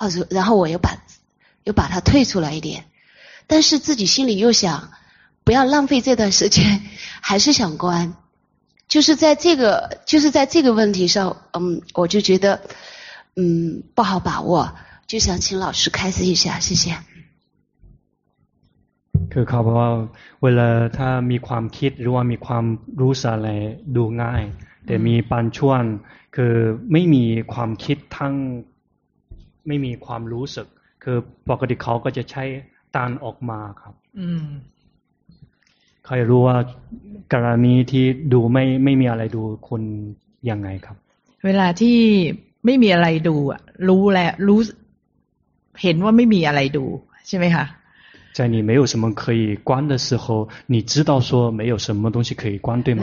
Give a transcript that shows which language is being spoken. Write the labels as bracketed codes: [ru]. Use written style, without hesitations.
[zh] 然后我又把它退出来一点但是自己心里又想不要浪费这段时间还是想关就是在这个问题上我就觉得不好把握就想请老师开示一下谢谢 [th] คือเขาบอกว่าเวลาถ้ามีความคิดหรือว่ามีความรู้สึกอะไรดูง่ายแต่มีบางช่วงคือไม่มีความคิดทั้งไม่มีความรู้สึกคือปกติเขาก็จะใช้ตานออกมาครับเขาอยากรู้ว่ากรณีที่ดูไม่มีอะไรดูคนยังไงครับ เวลาที่ไม่มีอะไรดูรู้แล้วรู้เห็นว่าไม่มีอะไรดูใช่ไหมคะ [zh] 在你没有什么可以关的时候你知道说没有什么东西可以关对吗